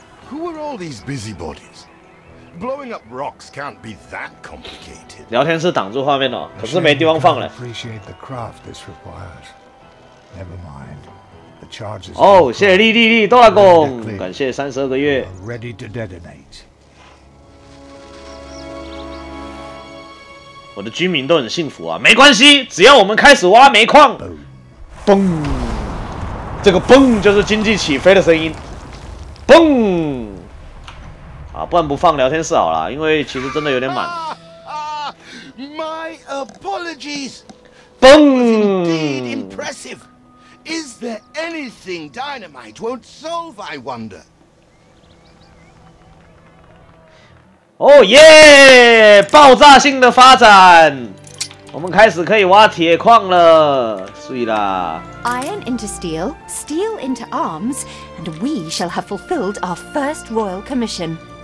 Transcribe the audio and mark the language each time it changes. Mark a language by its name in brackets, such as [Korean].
[English] Who are all these busybodies? Blowing up rocks can't be that complicated. [Chinese] 聊天室挡住画面了，可是没地方放了。 [English] Appreciate the craft this requires. Never mind. [Chinese] 哦，谢谢莉莉多拉贡，感谢32个月。 [English] Ready to detonate。 [Chinese] 我的居民都很幸福啊，没关系，只要我们开始挖煤矿，嘣，这个嘣就是经济起飞的声音，嘣。啊，不然不放聊天室好了，因为其实真的有点满。 [English] My apologies。 [Chinese] 嘣。 [English] Indeed impressive。 Is there anything dynamite won't solve, I wonder? Oh yeah! [Chinese] 爆炸性的发展！我们开始可以挖铁矿了，碎啦 [English] ！Iron into steel, steel into arms, and we shall have fulfilled our first royal commission.